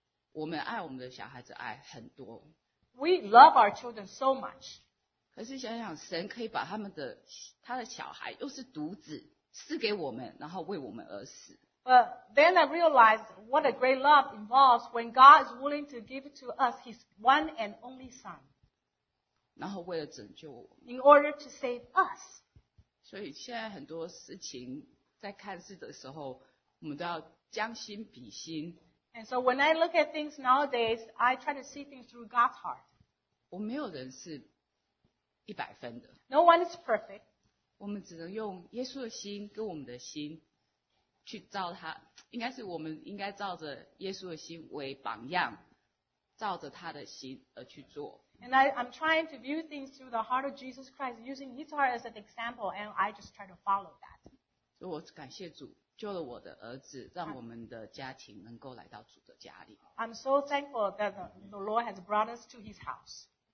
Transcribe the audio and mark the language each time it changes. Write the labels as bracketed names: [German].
[Chinese] 我们爱我们的小孩子爱很多。 [English] We love our children so much。 [Chinese] 可是想想，神可以把他的小孩又是独子赐给我们，然后为我们而死。 [English] But then I realized what a great love involves when God is willing to give to us His one and only Son。 [Chinese] 然后为了拯救我们。 [English] In order to save us。 [Chinese] 所以现在很多事情。在看事的时候，我们都要将心比心。 [English] And so when I look at things nowadays, I try to see things through God's heart. [Chinese] 我没有人是一百分的。 [English] No one is perfect. [Chinese] 我们只能用耶稣的心跟我们的心去照他，应该是我们应该照着耶稣的心为榜样，照着他的心而去做。 [English] And I'm trying to view things through the heart of Jesus Christ, using His heart as an example, and I just try to follow that. [Chinese] 所以我感谢主救了我的儿子让我们的家庭能够来到主的家里。 [English] I'm so thankful that the Lord has brought us to his house.